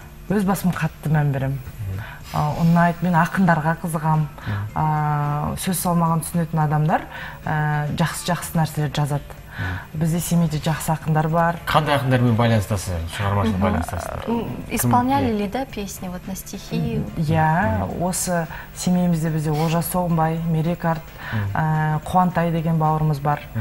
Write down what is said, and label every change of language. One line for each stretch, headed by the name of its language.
Kazakh: Өз басым қатты мән беремін. Ұнайды, мен ақындарға қызығам. Сөз салмаған түсінетін адамдар жақсы-жақсы нәрселер жазады. Бізде Семейде жақсы ақындар бар. Қандай ақындармен байланыстасыз, шығармашылық байланыстасыз?
Russian: Исполняли ли да песни вот на стихи?
Kazakh: Иә, осы Семейімізде бізде Олжас Соғымбай, Мерек Арт, Қуантай деген бауырымыз бар.